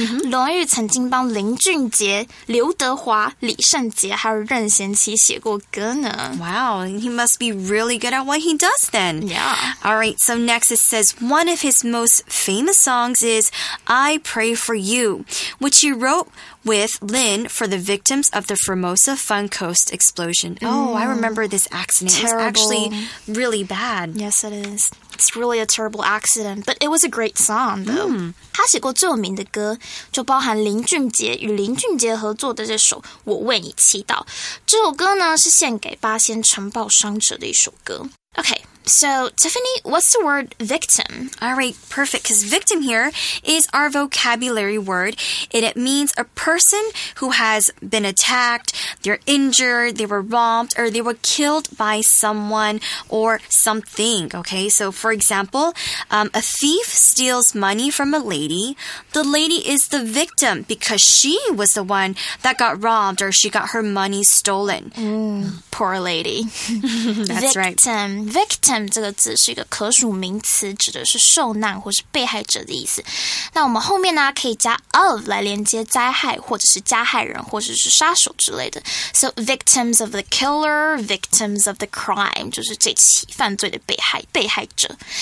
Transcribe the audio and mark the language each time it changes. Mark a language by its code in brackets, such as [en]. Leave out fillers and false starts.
[zh] 龙玉曾经帮林俊杰、刘德华、李圣杰还有任贤齐写过歌呢。 [en] Wow, he must be really good at what he does then. Yeah. Alright, so next it says one of his most famous songs is I Pray For You, which he wrote with Lin for the victims of the Formosa Fun Coast explosion. I remember this accident. Terrible. It was actually really bad. Yes, it is. It's really a terrible accident, but it was a great song, though. [zh] 他写过最有名的歌，就包含林俊杰与林俊杰合作的这首《我为你祈祷》。这首歌呢，是献给八仙城堡伤者的一首歌。 [en] Okay. So, Tiffany, what's the word victim? All right, perfect, because victim here is our vocabulary word. It means a person who has been attacked, they're injured, they were robbed, or they were killed by someone or something, okay? So, for example, a thief steals money from a lady. The lady is the victim because she was the one that got robbed or she got her money stolen. Poor lady. That's right. Victim. [zh] 这个字是一个可数名词，指的是受难或是被害者的意思。那我们后面呢，可以加 of 来连接灾害，或者是加害人，或者是杀手之类的。 [en] So victims of the killer, victims of the crime, [zh] 就是这起犯罪的被害者。